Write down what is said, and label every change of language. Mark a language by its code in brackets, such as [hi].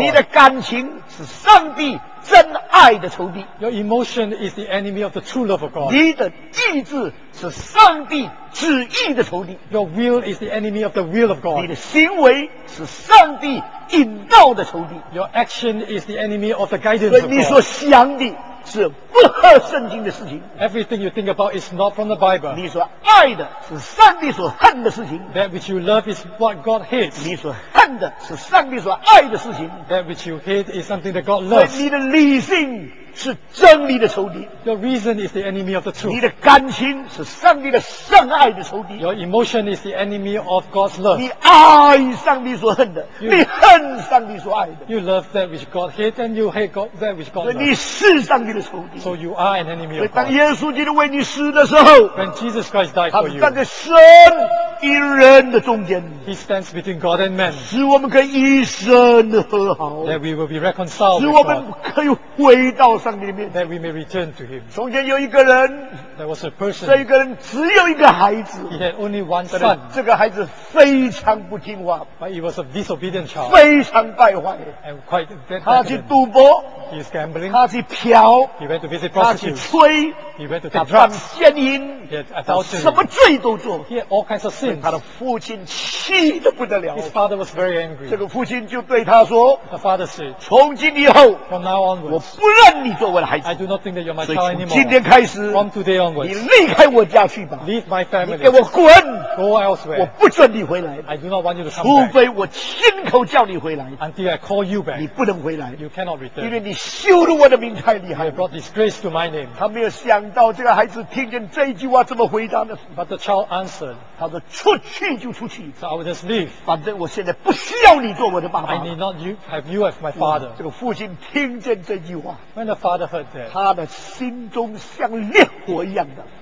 [zh] 你的感情是上帝真爱的仇敌。 [en] Your emotion is the enemy of the true love of God. [zh] 你的意志是上帝旨意的仇敌。 [en] Your will is the enemy of the will of God. [zh] 你的行为是上帝引导的仇敌。 [en] Your action is the enemy of the guidance of God. [zh] 所以你所想的是不合圣经的事情。 [en] Everything you think about is not from the Bible. [zh] 你所爱的是上帝所恨的事情。 [en] That which you love is what God hates. [zh] 你所恨的是上帝所爱的事情。 [en] That which you hate is something that God loves. [zh] 你的理性是真理的仇敌。 [en] Your reason is the enemy of the truth. [zh] 你的感情是上帝的圣爱的仇敌。 [en] Your emotion is the enemy of God's love. [zh] 你爱上帝所恨的， you, 你恨上帝所爱的。 [en] You love that which God hates and you hate God, that which God loves. [zh] 你是上帝的仇敌。 [en] So you are an enemy of God. [zh] 当耶稣基督为你死的时候， [en] When Jesus Christ died for you, [zh] 他站在神与人的中间。 [en] He stands between God and man. [zh] 使我们可以与神和好。 [en] That we will be reconciled. [zh] 使我们可以回到上帝里面。 [en] That we may return to him. [zh] 从前有一个人， [en] There was a person. [zh] 这一个人只有一个孩子。 [en] He had only one son. [zh] 这个孩子非常不听话。 [en] But he was a disobedient child. [zh] 非常败坏。 [en] And quite bad. [zh] 他去赌博。 [en] He is gambling. [zh] 他去嫖。 [en] He went to visit prostitutes. [zh] 他去吹。 [en] He went to take drugs. [zh] 他犯奸淫。 [en] He had adultery. [zh] 什么罪都做。 [en] He had all kinds of sins. [zh] 他的父亲气得不得了。 [en] His father was very angry. [zh] 这个父亲就对他说， [en] The father said, [zh] 从今以后， [en] From now onwards, [zh] 我不认你做我的孩子。 [en] I do not think that you're my child anymore. [zh] 所以从今天开始， [en] From today onwards, [zh] 你离开我家去吧。 [en] Leave my family. [zh] 你给我滚。 [en] Go elsewhere. [zh] 我不准你回来。 [en] I do not want you to come back. [zh] 除非我亲口叫你回来。 [en] Until I call you back. [zh] 你不能回来。 [en] You cannot return. [zh] 因为你羞辱我的名太厉害了。 [en] You brought disgrace to my name. [zh] 他没有想想到这个孩子听见这一句话这么回答呢。 [en] But the child answered, [zh] 他说出去就出去。 [en] So I will just leave. [zh] 反正我现在不需要你做我的爸爸。 [en] I need not you, have you as my father. [zh] 这个父亲听见这句话。 [en] When the father heard that, [zh] 他的心中像烈火一样的。